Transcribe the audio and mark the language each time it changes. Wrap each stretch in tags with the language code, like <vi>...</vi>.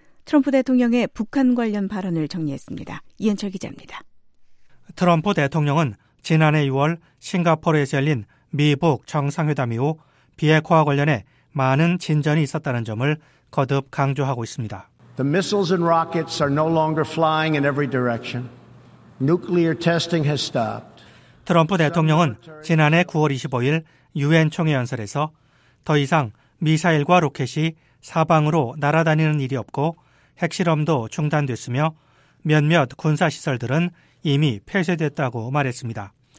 <ko>트럼프 대통령의 북한 관련 발언을 정리했습니다. 이현철 기자입니다. 트럼프 대통령은 지난해 6월 싱가포르에서 열린 미북 정상회담 이후 비핵화와 관련해 많은 진전이 있었다는 점을 거듭 강조하고 있습니다.</ko> <en>The missiles and rockets are no longer flying in every direction. Nuclear testing has stopped.</en> <ko>트럼프 대통령은 지난해 9월 25일 유엔 총회 연설에서 더 이상 미사일과 로켓이 사방으로 날아다니는 일이 없고 핵실험도 중단됐으며 몇몇 군사시설들은 이미 폐쇄됐다고 말했습니다.</ko>